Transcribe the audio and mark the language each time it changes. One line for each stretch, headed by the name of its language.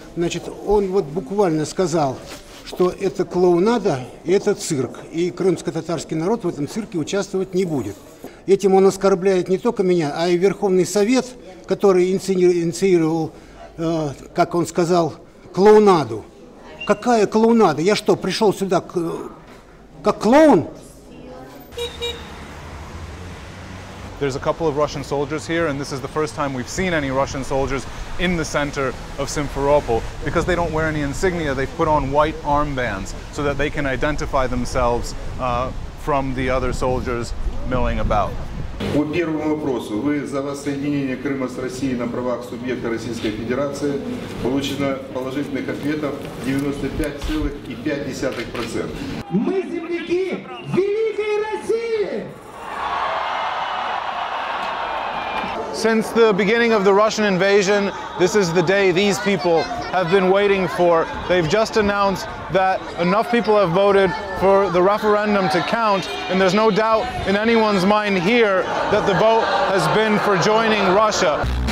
Russian: Значит, он вот буквально сказал, что это клоунада, это цирк, и крымско-татарский народ в этом цирке участвовать не будет. Этим он оскорбляет не только меня, а и Верховный Совет, который инициировал, как он сказал, клоунаду. Какая клоунада? Я что, пришел сюда как клоун?
English: There's a couple of Russian soldiers here, and this is the first time we've seen any Russian soldiers in the center of Simferopol. Because they don't wear any insignia, they've put on white armbands so that they can identify themselves from the other soldiers milling about.
Russian: По первому вопросу, вы за воссоединение Крыма с Россией на правах субъекта Российской Федерации, получено положительных ответов 95.5%. Мы земляки великой России!
English: Since the beginning of the Russian invasion, this is the day these people have been waiting for. They've just announced that enough people have voted for the referendum to count, and there's no doubt in anyone's mind here that the vote has been for joining Russia.